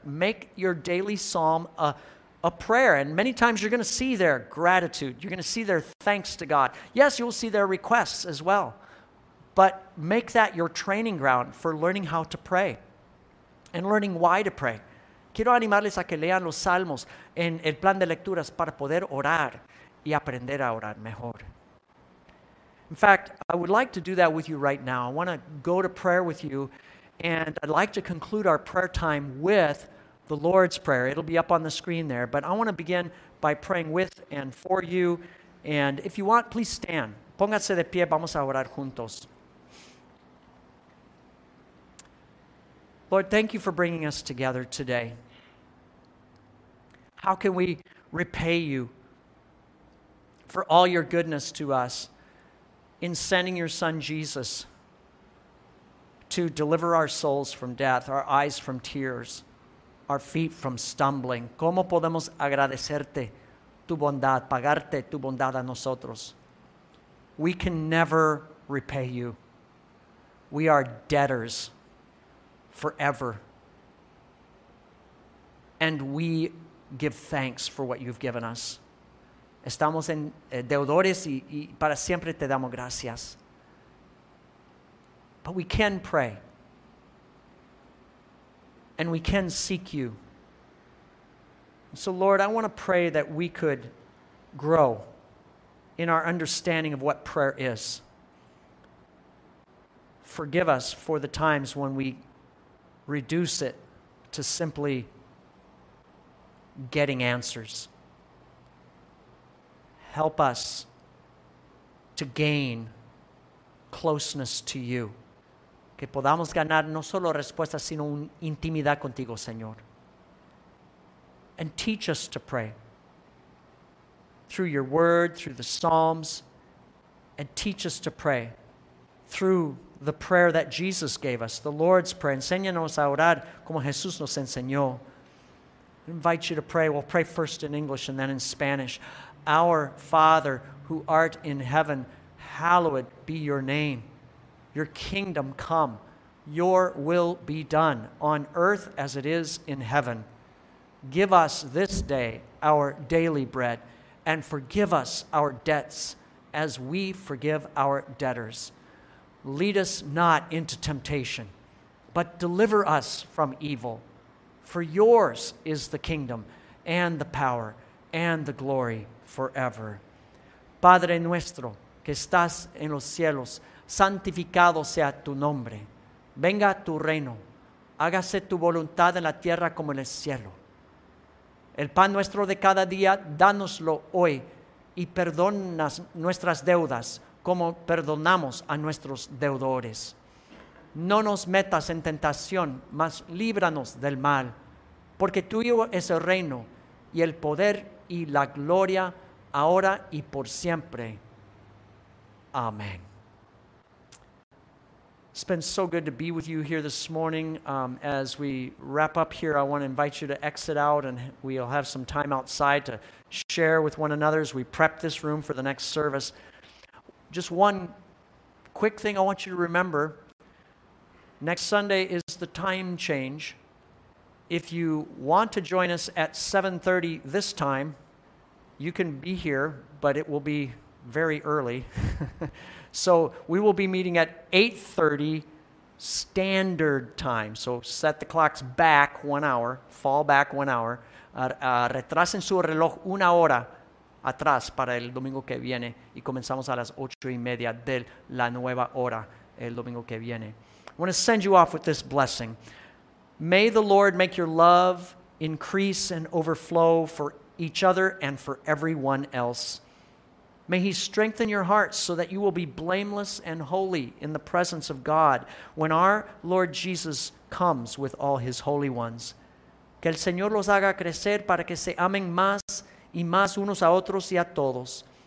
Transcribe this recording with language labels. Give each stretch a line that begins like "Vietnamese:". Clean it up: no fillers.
English: Make your daily psalm a prayer. And many times you're going to see their gratitude. You're going to see their thanks to God. Yes, you'll see their requests as well. But make that your training ground for learning how to pray and learning why to pray.
Spanish: Quiero animarles a que lean los salmos en el plan de lecturas para poder orar y aprender a orar mejor.
English: In fact, I would like to do that with you right now. I want to go to prayer with you, and I'd like to conclude our prayer time with the Lord's Prayer. It'll be up on the screen there, but I want to begin by praying with and for you. And if you want, please stand.
Spanish: Pónganse de pie, vamos a orar juntos.
English: Lord, thank you for bringing us together today. How can we repay you for all your goodness to us in sending your Son Jesus to deliver our souls from death, our eyes from tears, our feet from stumbling?
Spanish: ¿Cómo podemos agradecerte tu bondad, pagarte tu bondad a nosotros?
English: We can never repay you. We are debtors forever. And we give thanks for what you've given us.
Spanish: Estamos en deudores y para siempre te damos gracias.
English: But we can pray. And we can seek you. So Lord, I want to pray that we could grow in our understanding of what prayer is. Forgive us for the times when we reduce it to simply getting answers. Help us to gain closeness to you.
Spanish: Que podamos ganar no solo respuestas, sino una intimidad contigo, Señor.
English: And teach us to pray through your word, through the Psalms, and teach us to pray through the prayer that Jesus gave us, the Lord's Prayer.
Spanish: Enséñanos a orar como Jesús nos enseñó.
English: I invite you to pray. We'll pray first in English and then in Spanish. Our Father who art in heaven, hallowed be your name. Your kingdom come, your will be done on earth as it is in heaven. Give us this day our daily bread, and forgive us our debts as we forgive our debtors. Lead us not into temptation, but deliver us from evil. For yours is the kingdom and the power and the glory forever.
Spanish: Padre nuestro, que estás en los cielos, santificado sea tu nombre. Venga tu reino. Hágase tu voluntad en la tierra como en el cielo. El pan nuestro de cada día, dánoslo hoy. Y perdona nuestras deudas como perdonamos a nuestros deudores. No nos metas en tentación, mas líbranos del mal. Porque tuyo es el reino y el poder y la gloria ahora y por siempre. Amen.
English: It's been so good to be with you here this morning. As we wrap up here, I want to invite you to exit out, and we'll have some time outside to share with one another as we prep this room for the next service. Just one quick thing I want you to remember. Next Sunday is the time change. If you want to join us at 7:30 this time, you can be here, but it will be very early. So we will be meeting at 8:30 standard time. So set the clocks back 1 hour, fall back 1 hour.
Spanish: Retrasen su reloj una hora atrás para el domingo que viene, y comenzamos a las 8:30 de la nueva hora el domingo que viene.
English: I want to send you off with this blessing. May the Lord make your love increase and overflow for each other and for everyone else. May he strengthen your hearts so that you will be blameless and holy in the presence of God when our Lord Jesus comes with all his holy ones.
Spanish: Que el Señor los haga crecer para que se amen más y más unos a otros y a todos.